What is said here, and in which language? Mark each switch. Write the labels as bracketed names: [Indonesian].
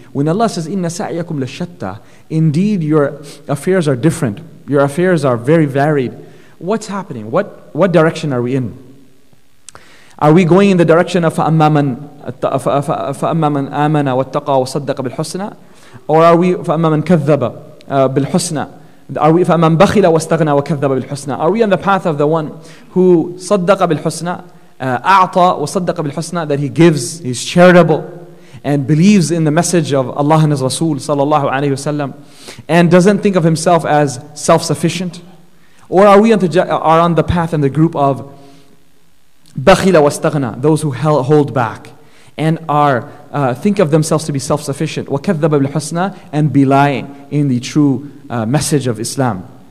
[English] When Allah says, [Arabic] إِنَّ سَعْيَكُمْ لَشَتَّى, [English] indeed your affairs are different. Your affairs are very varied. What's happening? What direction are we in? Are we going in the direction of [Arabic] فَأَمَّا مَنْ آمَنَ وَاتَّقَى وَصَدَّقَ بِالْحُسْنَى? [English] Or are we [Arabic] فَأَمَّا مَنْ كَذَّبَ بِالْحُسْنَى? [English] Are we [Arabic] فَأَمَّا مَنْ بَخِلَ وَاسْتَغْنَى وَكَذَّبَ بِالْحُسْنَى? [English] Are we on the path of the one who [Arabic] صَدَّقَ بِالْحُسْنَى? أعطى وصدق بالحسنى, [English] that he gives, he's charitable, and believes in the message of Allah and His Rasul sallallahu alayhi wasallam, and doesn't think of himself as self-sufficient? Or are we on the path and the group of [Arabic] بخيل واستغنى, [English] those who hold back and are think of themselves to be self-sufficient, [Arabic] وكذب بالحسنى, [English] and belie in the true message of Islam?